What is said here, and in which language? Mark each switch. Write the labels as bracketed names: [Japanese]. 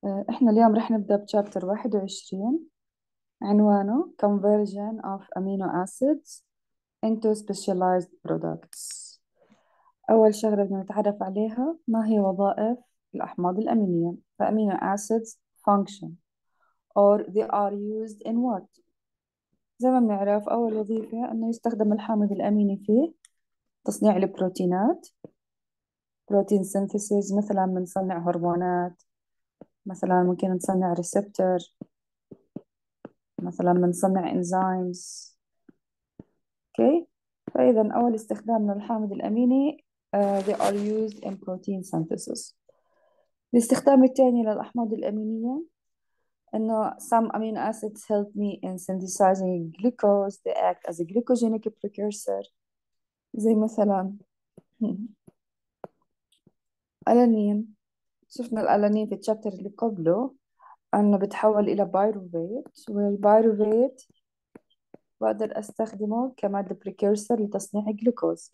[Arabic] إحنا اليوم رح نبدأ بشابتر 21، عنوانه [English] Conversion of Amino Acids into Specialized Products. [Arabic] أول شغلة بدنا نتعرف عليها، ما هي وظائف الأحماض الأمينية؟ [English] The amino acids function or they are used in what؟ [Arabic] زي ما بنعرف، أول وظيفة أنه يستخدم الحامض الأميني في تصنيع البروتينات، بروتين سينثيسيس، مثلا بنصنع هرمونات، مثلا ممكن نصنع ريسبتر، مثلا بنصنع انزيمز. اوكي، فاذا اول استخدام للحامض الاميني [English] they are used in protein synthesis. [Arabic] الاستخدام الثاني للاحماض الامينيه انه [English] some amino acids help me in synthesizing glucose, they act as a glycogenic precursor. [Arabic] زي مثلا الانين، شفنا الألانين في التشابتر اللي قبله أنه بتحول إلى بايروفيت، والبايروفيت بقدر أستخدمه كمادة بريكيرسر لتصنيع الجلوكوز.